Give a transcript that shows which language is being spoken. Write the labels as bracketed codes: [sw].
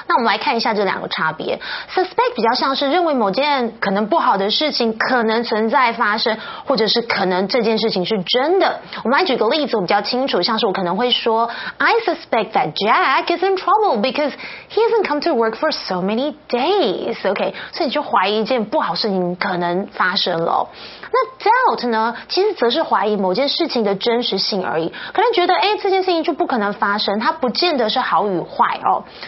[zh] 那我们来看一下这两个差别。Suspect 比较像是认为某件可能不好的事情可能存在发生，或者是可能这件事情是真的。我们来举个例子，我比较清楚。像是我可能会说 ， [en] I suspect that Jack is in trouble because he hasn't come to work for so many days. [zh] Okay, 所以你就怀疑一件不好事情可能发生了。那 doubt 呢，其实则是怀疑某件事情的真实性而已。可能觉得，哎，这件事情就不可能发生，它不见得是好与坏哦。